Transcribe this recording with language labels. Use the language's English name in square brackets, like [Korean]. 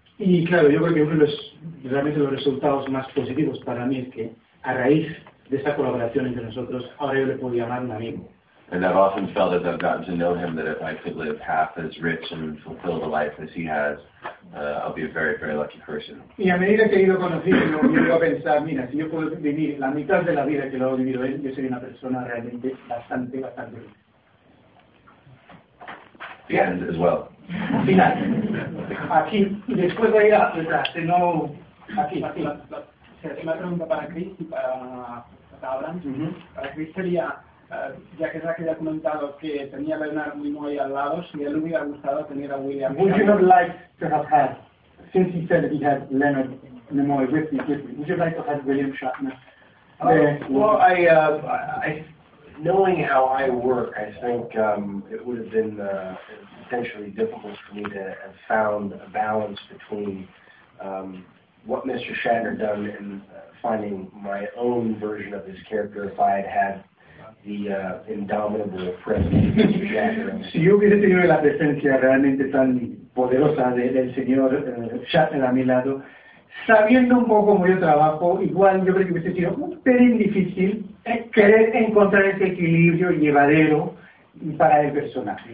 [Spanish] Y claro, yo creo que uno de los realmente los resultados más positivos para mí es que a raíz de esa colaboración entre nosotros, ahora yo le puedo llamar un amigo. [English] And I've often felt as I've gotten to know him that if I could live half as rich and fulfilled a life as he has, I'll be a very, very lucky person. [Spanish] Y a medida que he ido conociendo, yo iba a pensar, mira, si yo puedo vivir la mitad de la vida que lo ha vivido él, yo sería una persona realmente bastante, bastante rica. [English] The end as well. [Spanish] Final. Aquí. Y después de ir a atrás, no. Aquí. Se hace una pregunta para Chris y para Abraham. Para Chris sería. Ya que Zachary ha comentado que tenía a Leonard Nimoy al lado, si él hubiera gustado tener a William. [English] Would you have liked to have had, since he said he had Leonard Nimoy with me, would you like to have William Shatner? Knowing how I work, I think it would have been potentially difficult for me to have found a balance between what Mr. Shatner done and finding my own version of his character if I had the indomitable presence. [Spanish] Si yo hubiese tenido la presencia realmente tan poderosa del señor Shatner a mi lado, sabiendo un poco cómo yo trabajo, igual yo creo que hubiese sido un pelín difícil querer encontrar ese equilibrio llevadero para el personaje.